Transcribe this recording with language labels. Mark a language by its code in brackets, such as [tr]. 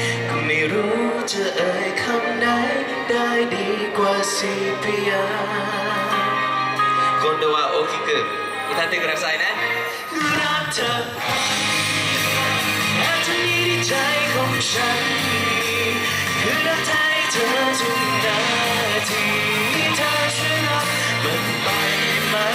[th] ก็ไม่รู้จะเอ่ยคำไหนได้ดีกว่าสีพยา [ja] 今度は大きく歌ってくださいね [th] รักเธอและจะมีใจของฉันคือรักใจเธอทุกนาทีเธอช่วยรักมันไปไหม